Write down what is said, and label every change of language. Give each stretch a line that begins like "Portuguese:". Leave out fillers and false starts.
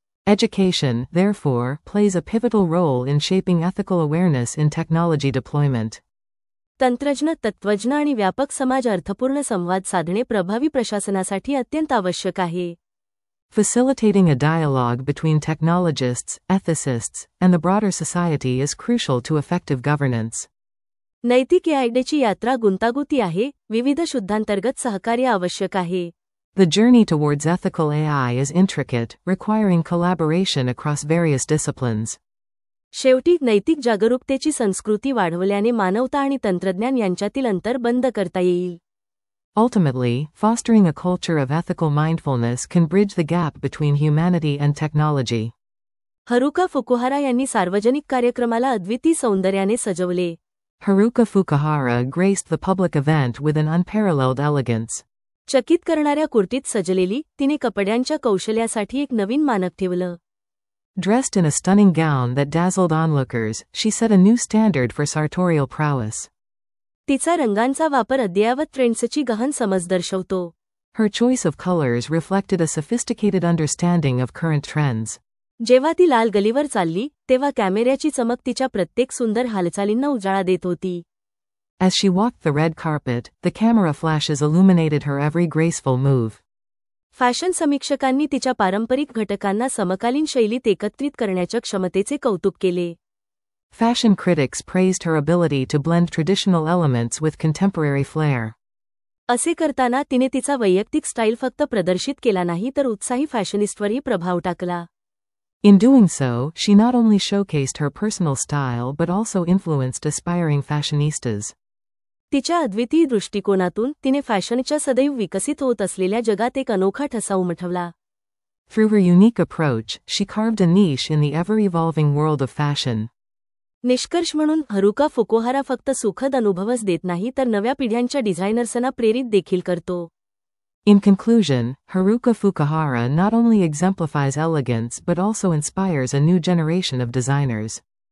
English: Education, therefore, plays a pivotal role in shaping ethical awareness in technology deployment.
Marathi: तंत्रज्ञ, तत्त्वज्ञ आणि व्यापक समाज अर्थपूर्ण संवाद साधणे प्रभावी प्रशासनासाठी अत्यंत आवश्यक आहे.
English: Facilitating a dialogue between technologists, ethicists, and the broader society is crucial to effective governance.
Marathi: नैतिक AI-ची यात्रा गुंतागुंती आहे, विविध शुद्धांतर्गत सहकार्य आवश्यक आहे.
English: The journey towards ethical AI is intricate, requiring collaboration across various disciplines.
Marathi: शेवटी, नैतिक जागरूकतेची संस्कृती वाढवल्याने मानवता आणि तंत्रज्ञान यांच्यातील अंतर बंद करता येईल.
English: Ultimately, fostering a culture of ethical mindfulness can bridge the gap between humanity and technology.
Marathi: हरुका फुकुहारा यांनी सार्वजनिक कार्यक्रमाला अद्वितीय सौंदर्याने सजवले.
English: Haruka Fukuhara graced the public event with an unparalleled elegance.
Marathi: चकित करणाऱ्या कुर्तीत सजलेली तिने कपड्यांच्या कौशल्यासाठी एक नवीन मानक ठेवलं.
English: Dressed in a stunning gown that dazzled onlookers, she set a new standard for sartorial prowess.
Marathi: तिचा रंगांचा वापर अद्ययावत ट्रेंड्सची गहन समज दर्शवतो.
English: Her choice of colors reflected a sophisticated understanding of current trends.
Marathi: जेव्हा ती लाल गलीवर चालली, तेव्हा कॅमेऱ्याची चमक तिच्या प्रत्येक सुंदर हालचालींना उजाळा देत होती.
English: As she walked the red carpet, the camera flashes illuminated her every graceful move.
Marathi: Fashion समीक्षकांनी तिच्या पारंपरिक घटकांना समकालीन शैलीत एकत्रित करण्याच्या क्षमतेचे कौतुक केले.
English: Fashion critics praised her ability to blend traditional elements with contemporary flair.
Marathi: असे करताना तिने तिचा वैयक्तिक स्टाईल फक्त प्रदर्शित केला नाही, तर उत्साही फॅशनिस्टवरही प्रभाव टाकला.
English: In doing so, she not only showcased her personal style but also influenced aspiring fashionistas.
Marathi: तिच्या अद्वितीय दृष्टिकोनातून तिने फॅशनच्या सदैव विकसित होत असलेल्या जगात एक अनोखा ठसा उमटवला.
English: Through her unique approach, she carved a niche in the ever-evolving world of fashion.
Marathi: निष्कर्ष म्हणून, हरुका फुकुहारा फक्त सुखद अनुभवच देत नाही, तर नव्या पिढ्यांच्या डिझायनर्सना प्रेरित देखील करतो.
English: In conclusion, Haruka Fukuhara not only exemplifies elegance but also inspires a new generation of designers.